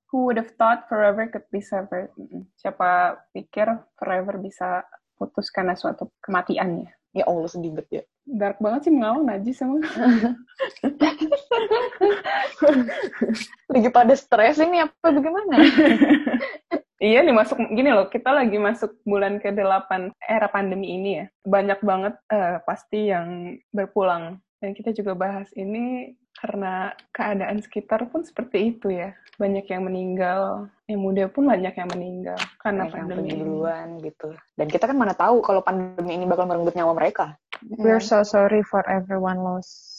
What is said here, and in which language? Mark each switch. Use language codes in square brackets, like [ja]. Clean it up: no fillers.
[en] Who would have thought forever could be severed? [id] Siapa pikir forever bisa putus karena suatu kematiannya? Ya Allah, sedih banget ya. Dark banget sih, mengawal najis emang. Lagi pada stres ini apa bagaimana? Iya nih, masuk gini loh, kita lagi masuk bulan ke-8 era pandemi ini ya. Banyak banget pasti yang berpulang. Dan kita juga bahas ini karena keadaan sekitar pun seperti itu ya. Banyak yang meninggal, yang muda pun banyak yang meninggal karena banyak pandemi. Yang duluan gitu. Dan kita kan mana tahu kalau pandemi ini bakal merenggut nyawa mereka. [en] We're so sorry for everyone lost.